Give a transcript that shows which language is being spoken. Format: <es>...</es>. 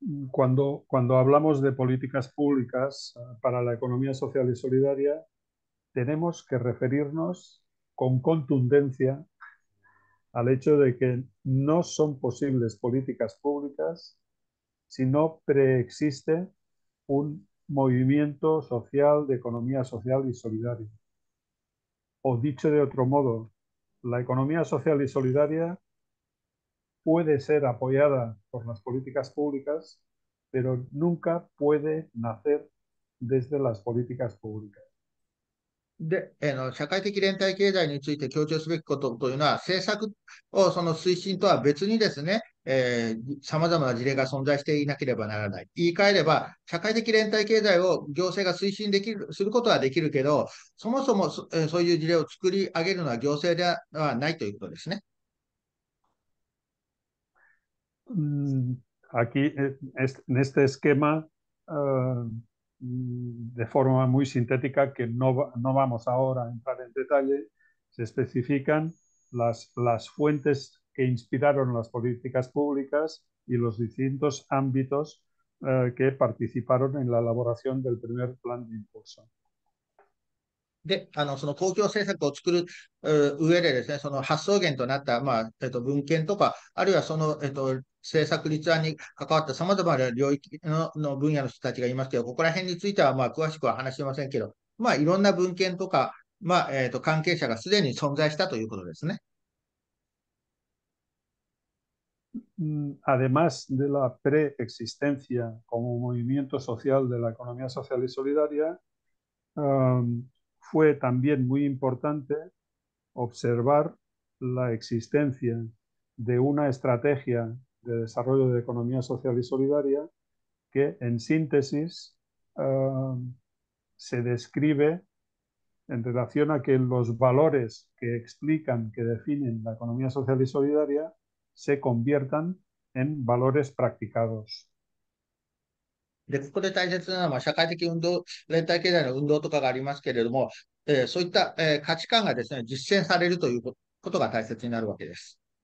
<es>Cuando hablamos de políticas públicas para la economía social y solidaria, tenemos que referirnos con contundencia al hecho de que no son posibles políticas públicas si no preexiste un movimiento social de economía social y solidaria. O dicho de otro modo, la economía social y solidaria puede ser apoyada por las políticas públicas, pero nunca puede nacer desde las políticas públicas.</es> <ja>で、社会的連帯経済について強調すべきことというのは、政策をその推進とは別にですね、様々な事例が存在していなければならない。言い換えれば、社会的連帯経済を行政が推進できる、することはできるけど、そもそも、そういう事例を作り上げるのは行政ではないということですね。</ja> <es>Aquí, en este esquema, de forma muy sintética, que no vamos ahora a entrar en detalle, se especifican las fuentes que inspiraron las políticas públicas y los distintos ámbitos, que participaron en la elaboración del primer plan de impulso.</es> <ja>で、その公共政策を作る上でですね、その発想源となった、文献とか、あるいはその、政策立案に関わった様々な領域の分野の人たちがいますけど、ここら辺については、詳しくは話しませんけど、いろんな文献とか、関係者がすでに存在したということですね。</ja> <es>Además de la preexistencia como movimiento social de la economía social y solidaria, fue también muy importante observar la existencia de una estrategia de desarrollo de economía social y solidaria que, en síntesis, se describe en relación a que los valores que explican, que definen la economía social y solidaria, se conviertan en valores practicados.</es> <ja>で、ここで大切なのは、社会的運動、連帯経済の運動とかがありますけれども、そういった、価値観がですね、実践されるということが大切になるわけです。</ja>